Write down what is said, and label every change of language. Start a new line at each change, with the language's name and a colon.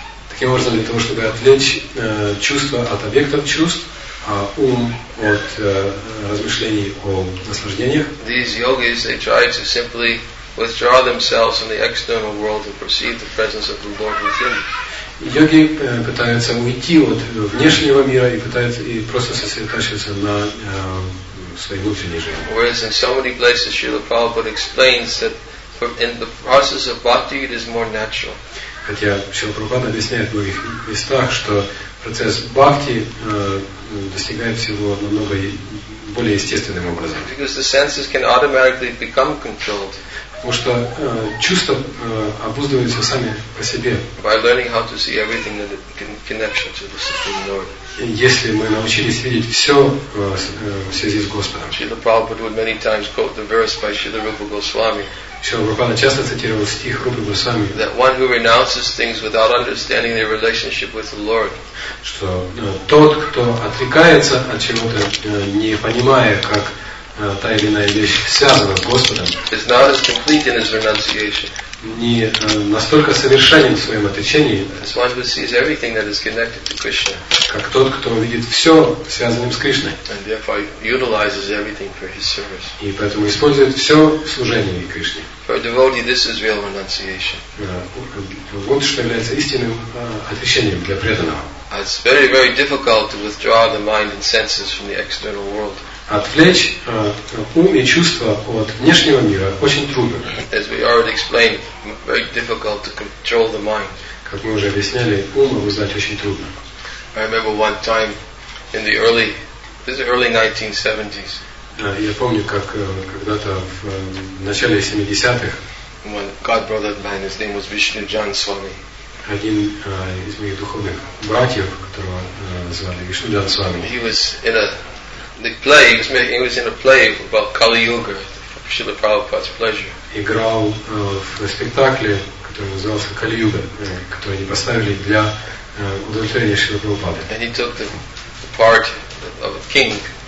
Russian: Таким образом, для того, чтобы отвлечь чувства от объектов чувств, а ум от размышлений о наслаждениях.
English: These yogis, they try to simply withdraw themselves from the external world and perceive the presence of the Lord within.
Russian: Йоги пытаются уйти от внешнего мира и пытаются и просто сосредоточиться на своей внутренней жизни.
English: Whereas in so many places Srila Prabhupada explains that in the process of bhakti it is more natural.
Russian: Хотя Шрила Прабхупада объясняет в многих местах, что процесс бхакти достигает всего намного более естественным образом.
English: Because the senses can automatically become controlled.
Russian: Потому что чувства обуздываются сами по себе.
English: By learning how to see everything in connection to the Supreme Lord.
Russian: Если мы научились видеть все в связи с Господом.
English: Srila Prabhupada would many times quote the verse by Srila Rupa Goswami.
Russian: Шрила Прабхупада часто цитировал стих Рупы Госвами.
English: That one who renounces things without understanding their relationship with the Lord.
Russian: Что тот, кто отрекается от чего-то, не понимая, как та или иная вещь связана с Господом,
English: is not as complete in his renunciation.
Russian: Не настолько совершенен в своем отречении,
English: as one who sees everything that is connected to Krishna.
Russian: Как тот, кто видит все связанным с Кришной.
English: And therefore utilizes everything for his service.
Russian: И поэтому использует все в служении Кришне.
English: For a devotee, this is real renunciation.
Russian: Вот что является истинным отречением для преданного.
English: It's very, very difficult to withdraw the mind and senses from the external world.
Russian: Отвлечь ум и чувства от внешнего мира очень трудно.
English: As we already explained, very difficult to control the mind.
Russian: Как мы уже объясняли, ум обуздать очень трудно.
English: I remember one time in the early, this is the early 1970s.
Russian: Я помню, как когда-то в начале 70-х.
English: When God brother of mine, his name was Vishnu Jan Swami.
Russian: Один из моих духовных братьев, которого звали Вишну Джан Свами.
English: He was in a the play. He was in a play about Kali Yuga, Srila Prabhupada's pleasure.
Russian: Играл в спектакле, который назывался Кали Юга, который они поставили для удовлетворения Шрилы Прабхупады.
English: And he took the part of a king.